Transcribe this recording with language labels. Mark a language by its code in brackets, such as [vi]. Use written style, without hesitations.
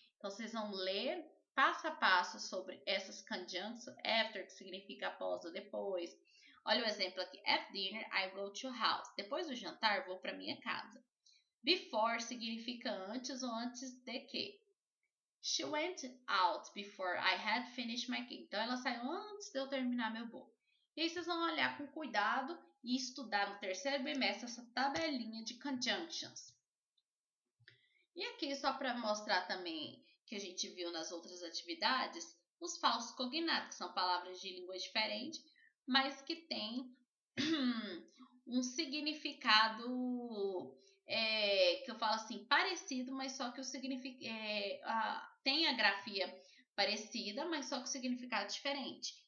[pt] Então, vocês vão ler passo a passo sobre essas conjunctions, after, que significa após ou depois. Olha o exemplo aqui. [en] At dinner, I go to house. [pt] Depois do jantar, vou para minha casa. Before significa antes ou antes de quê? [en] She went out before I had finished my cake. [pt] Então, ela saiu antes de eu terminar meu bolo. E aí, vocês vão olhar com cuidado e estudar no terceiro bimestre essa tabelinha de conjunctions. E aqui, só para mostrar também que a gente viu nas outras atividades, os falsos cognatos, que são palavras de língua diferente, mas que têm um significado, que eu falo assim, parecido, mas só que o significado tem a grafia parecida, mas só que o significado diferente.